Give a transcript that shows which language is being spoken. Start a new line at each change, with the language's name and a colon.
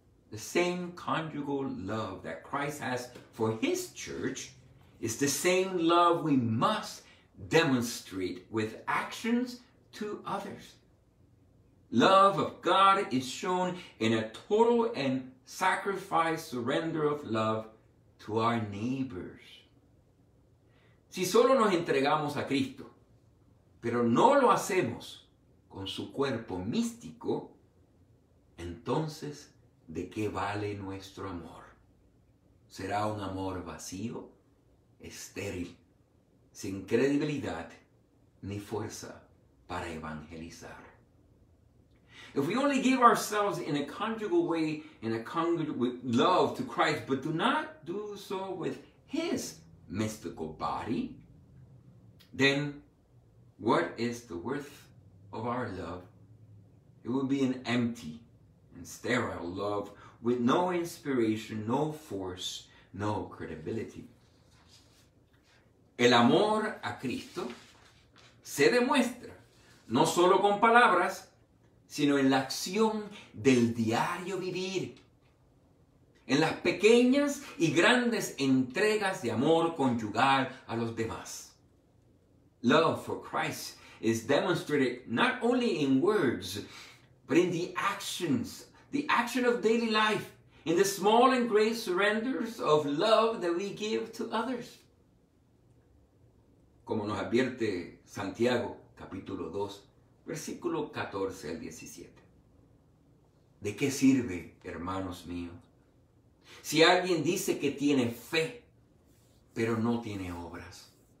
English: The same conjugal love that Christ has for his church is the same love we must demonstrate with actions to others. Love of God is shown in a total and sacrificed surrender of love to our neighbors.
Spanish: Si solo nos entregamos a Cristo, pero no lo hacemos con su cuerpo místico, entonces, ¿de qué vale nuestro amor? ¿Será un amor vacío, estéril, sin credibilidad ni fuerza para evangelizar?
English: If we only give ourselves in a conjugal way, in a conjugal with love to Christ, but do not do so with his mystical body, then what is the worth of our love? It will be an empty and sterile love with no inspiration, no force, no credibility.
Spanish: El amor a Cristo se demuestra no solo con palabras, sino en la acción del diario vivir, en las pequeñas y grandes entregas de amor conyugal a los demás.
English: Love for Christ is demonstrated not only in words, but in the action of daily life, in the small and great surrenders of love that we give to others.
Spanish: Como nos advierte Santiago, capítulo 2, versículo 14 al 17. ¿De qué sirve, hermanos míos, si alguien dice que tiene fe, pero no tiene obras?